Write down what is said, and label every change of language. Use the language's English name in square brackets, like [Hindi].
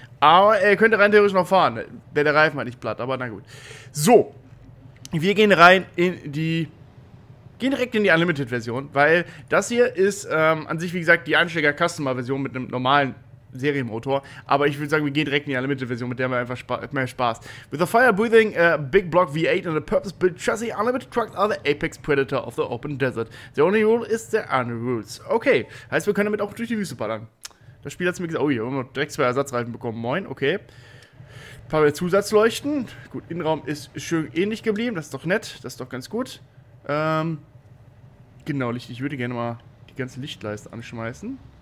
[German] Aber er könnte rein theoretisch noch fahren. Der Reifen halt nicht platt, aber na gut. So. Wir gehen rein in die. Gehen direkt in die Unlimited-Version, weil das hier ist an sich, wie gesagt, die Einsteiger-Customer-Version mit einem normalen Serienmotor. Aber ich würde sagen, wir gehen direkt in die Unlimited-Version, mit der wir einfach mehr Spaß. [English] With a fire-breathing big block V8 and a purpose-built chassis, Unlimited Trucks are the apex predator of the open desert. The only rule is the unrules. [German] Okay, heißt, wir können damit auch durch die Wüste ballern. Das Spiel hat mir gesagt, oh, hier haben wir direkt zwei Ersatzreifen bekommen. Moin, okay. Ein paar mehr Zusatzleuchten. Gut, Innenraum ist schön ähnlich geblieben. Das ist doch nett. Das ist doch ganz gut. Genau, Licht. Ich würde gerne mal die ganze Lichtleiste anschmeißen.